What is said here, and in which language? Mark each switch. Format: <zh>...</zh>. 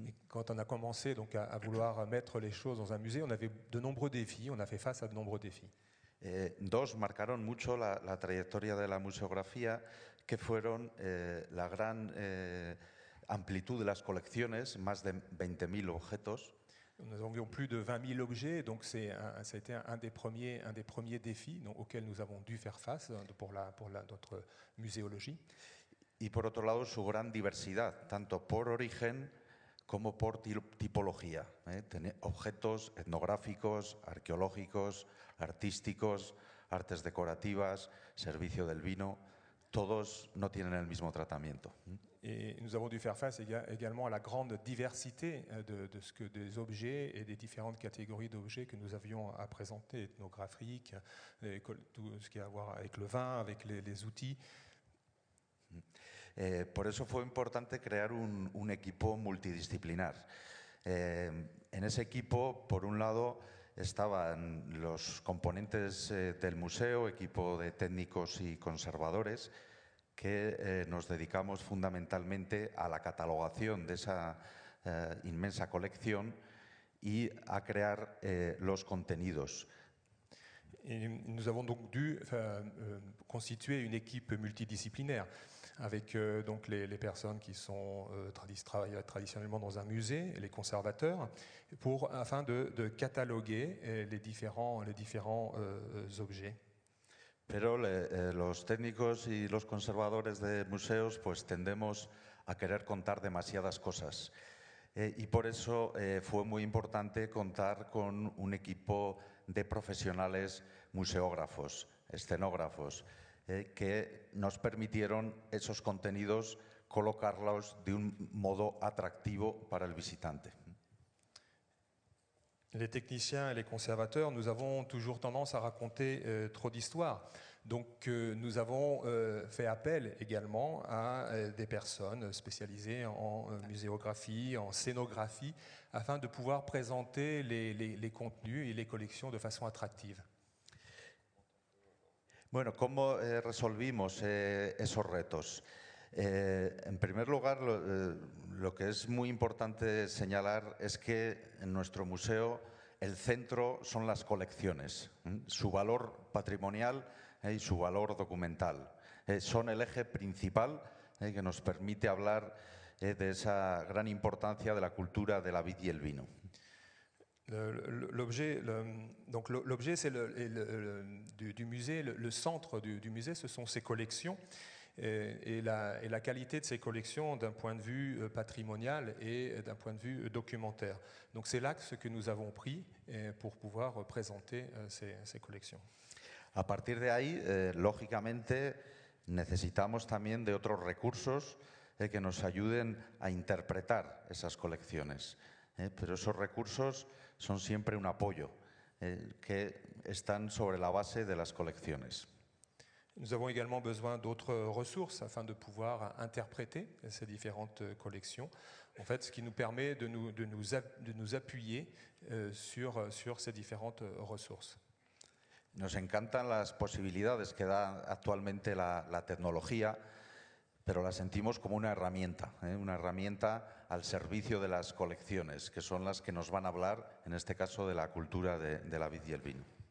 <fr>Quand on a commencé donc à vouloir mettre les choses dans un musée, on avait de nombreux défis, on a fait face à de nombreux défis.</fr> <es>Dos marcaron mucho la trayectoria de la museografía, que fueron la gran amplitud de las colecciones, más de 20.000 objetos.</es> <fr>Nous avons plus de 20.000 objets, donc ça a été un des premiers défis donc, auxquels nous avons dû faire face pour notre muséologie. Et par autre</fr> <es>lado, su gran diversidad, tanto por origen como por tipología. Objetos etnográficos, arqueológicos, artísticos, artes decorativas, servicio del vino, todos no tienen el mismo tratamiento.</es> <fr>Et nous avons dû faire face également à la grande diversité des objets et des différentes catégories d'objets que nous avions à présenter, ethnographiques, tout ce qui a à voir avec le vin, avec les outils.</fr> <es>Por eso fue importante crear un equipo multidisciplinar. En ese equipo, por un lado, estaban los componentes del museo, equipo de técnicos y conservadores, que nos dedicamos fundamentalmente a la catalogación de esa inmensa colección y a crear los contenidos.</es> <fr>Et nous avons donc dû constituer une équipe multidisciplinaire avec donc les personnes qui sont traditionnellement dans un musée, les conservateurs, afin de cataloguer les différents objets.</fr> <es>Pero los técnicos y los conservadores de museos pues tendemos a querer contar demasiadas cosas. Y por eso fue muy importante contar con un equipo de profesionales museógrafos, escenógrafos, que nos permitieron esos contenidos colocarlos de un modo atractivo para el visitante.</es> <fr>Les techniciens et les conservateurs, nous avons toujours tendance à raconter trop d'histoires. Donc nous avons fait appel également à des personnes spécialisées en muséographie, en scénographie, afin de pouvoir présenter les contenus et les collections de façon attractive.</fr> <es>Bueno, ¿cómo resolvimos esos retos? En primer lugar, lo que es muy importante señalar es que en nuestro museo el centro son las colecciones, su valor patrimonial y su valor documental. Son el eje principal que nos permite hablar de esa gran importancia de la cultura de la vid y el vino.</es> <fr>L'objet c'est du musée, le centre du musée, ce sont ses collections. Et la qualité de ces collections d'un point de vue patrimonial et d'un point de vue documentaire. Donc c'est l'axe que nous avons pris pour pouvoir présenter ces collections.</fr> <es>À partir de ahí, lógicamente, necesitamos también de otros recursos que nos ayuden a interpretar esas colecciones. Pero esos recursos son siempre un apoyo que están sobre la base de las colecciones.</es> <fr>Nous avons également besoin d'autres ressources afin de pouvoir interpréter ces différentes collections. En fait, ce qui nous permet de nous appuyer sur ces différentes ressources.</fr> <es>Nos encantan las posibilidades que da actualmente la tecnología, pero la sentimos como una herramienta al servicio de las colecciones, que son las que nos van a hablar, en este caso, de la cultura de la vid y el vino.</es>